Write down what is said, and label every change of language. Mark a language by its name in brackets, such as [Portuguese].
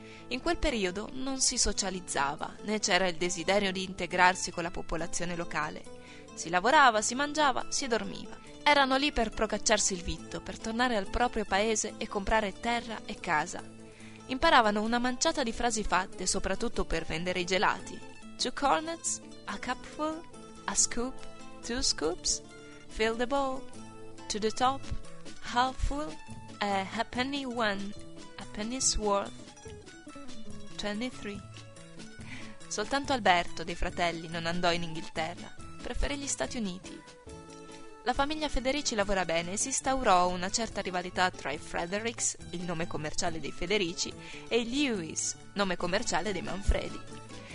[Italian] In quel periodo non si socializzava, né c'era il desiderio di integrarsi con la popolazione locale. Si lavorava, si mangiava, si dormiva. Erano lì per procacciarsi il vitto, per tornare al proprio paese e comprare terra e casa. Imparavano una manciata di frasi fatte, soprattutto per vendere i gelati. [English] Two cornets, a cupful, a scoop, two scoops, fill the bowl, to the top, half full, a halfpenny one, a penny's worth, 23. [Italian] Soltanto Alberto dei fratelli non andò in Inghilterra, preferì gli Stati Uniti. La famiglia Federici lavora bene e si instaurò una certa rivalità tra i Fredericks, il nome commerciale dei Federici, e i Lewis, nome commerciale dei Manfredi.